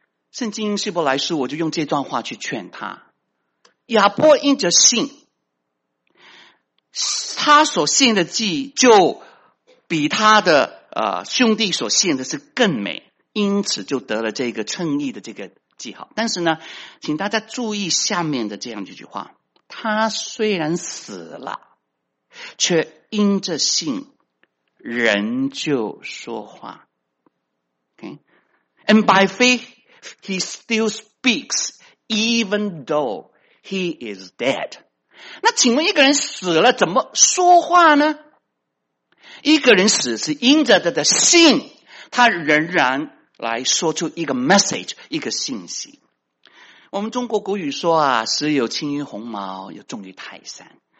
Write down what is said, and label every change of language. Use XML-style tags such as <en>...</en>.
<zh>圣经希伯来书，我就用这段话去劝他。亚伯因着信，他所献的祭就比他的兄弟所献的是更美，因此就得了这个称义的这个记号。但是呢，请大家注意下面的这样一句话，他虽然死了，却因着信仍旧说话。</zh> <en>Okay? And by faith, he still speaks even though he is dead.</en> <zh>那请问一个人死了怎么说话呢？一个人死是因着他的信，他仍然来说出一个 message, 一个信息。我们中国古语说啊，死有轻于鸿毛，有重于泰山。</zh>